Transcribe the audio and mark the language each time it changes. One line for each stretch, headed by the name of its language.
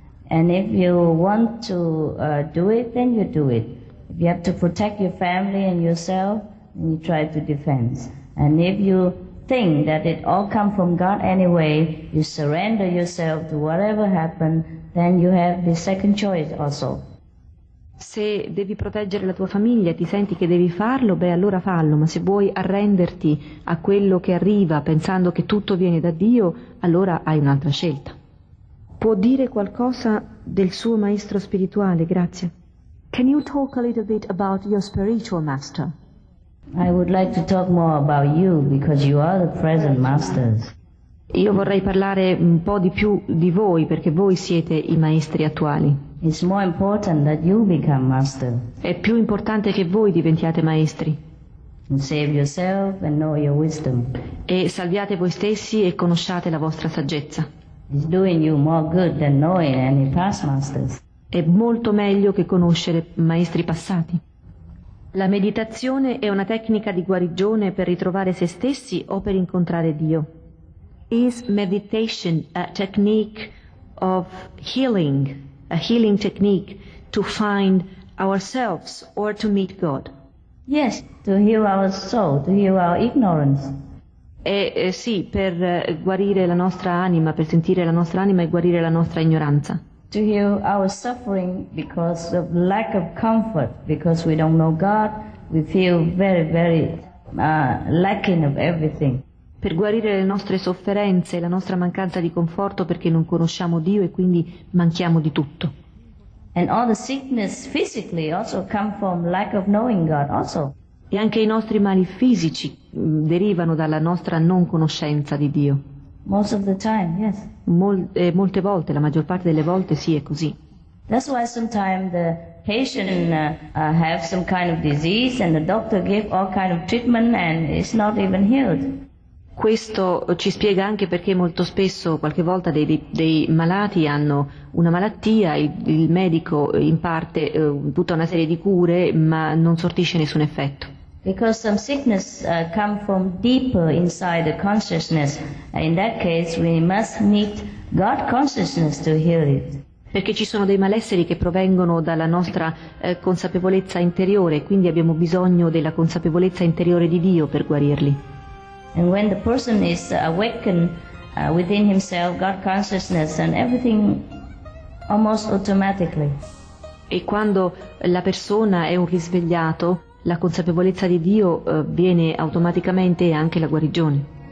English: And if you want to do it, then you do it. If you have to protect your family and yourself, then you try to defend. And if you think that it all comes from God anyway, you surrender yourself to whatever happens, then you have the second choice also.
Italian: Se devi proteggere la tua famiglia e ti senti che devi farlo, beh allora fallo, ma se vuoi arrenderti a quello che arriva pensando che tutto viene da Dio, allora hai un'altra scelta. Può dire qualcosa del suo maestro spirituale, grazie.
English: Can you talk a little bit about your spiritual master? I would like to talk more about you because you are the present master.
Italian: Io vorrei parlare un po' di più di voi perché voi siete i maestri attuali.
English: It's more important that you become master.
Italian: È più importante che voi diventiate maestri.
English: And save yourself and know your wisdom.
Italian: E salviate voi stessi e conosciate la vostra saggezza.
English: It's doing you more good than knowing any past masters.
Italian: È molto meglio che conoscere maestri passati. La meditazione è una tecnica di guarigione per ritrovare se stessi o per incontrare Dio.
English: Is meditation a technique of healing, a healing technique to find ourselves or to meet God? Yes, to heal our soul, to heal our ignorance.
Italian: Sì, per guarire la nostra anima, per sentire la nostra anima e guarire la nostra ignoranza.
English: To heal our suffering because of lack of comfort, because we don't know God, we feel very, very lacking of everything.
Italian: Per guarire le nostre sofferenze, la nostra mancanza di conforto perché non conosciamo Dio e quindi manchiamo di tutto.
English: And all the sickness physically also come from lack of knowing God also.
Italian: E anche i nostri mali fisici derivano dalla nostra non conoscenza di Dio.
English: Most of the time, yes.
Italian: Molte volte, la maggior parte delle volte, sì, è così.
English: That's why sometimes the patient have some kind of disease and the doctor give all kind of treatment and it's not even healed.
Italian: Questo ci spiega anche perché molto spesso, qualche volta, dei malati hanno una malattia, il medico in parte butta una serie di cure, ma non sortisce nessun effetto.
English: Because some sickness come from deeper inside the consciousness, and in that case we must meet God consciousness to heal it.
Italian: Perché ci sono dei malesseri che provengono dalla nostra consapevolezza interiore, quindi abbiamo bisogno della consapevolezza interiore di Dio per guarirli.
English: And when the person is awakened within himself, God consciousness, and everything almost automatically.
Italian: E quando la persona è un risvegliato, la consapevolezza di Dio viene automaticamente, e anche la guarigione.